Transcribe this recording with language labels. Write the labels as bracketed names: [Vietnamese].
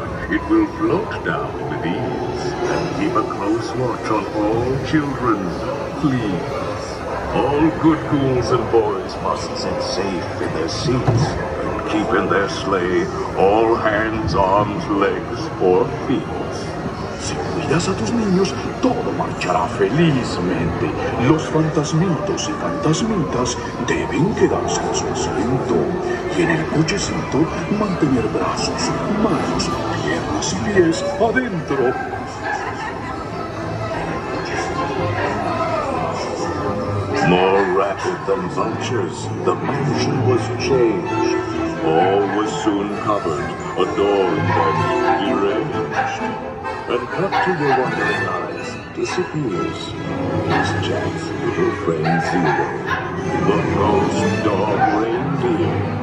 [English] It will float down with ease and keep a close watch on all children, please. All good ghouls and boys must sit safe in their seats and keep in their sleigh all hands, arms, legs, or feet. [Spanish] Si cuidas a tus niños, todo marchará felizmente. Los fantasmitos y fantasmitas deben quedarse en su asiento. Y en el cochecito, mantener brazos, manos, piernas y pies adentro. [English] More rapid than vultures, the mansion was changed. All was soon covered, adorned and deranged. And cut to your wondering eyes, disappears, is Jack's little friend Zero, the ghost dog reindeer.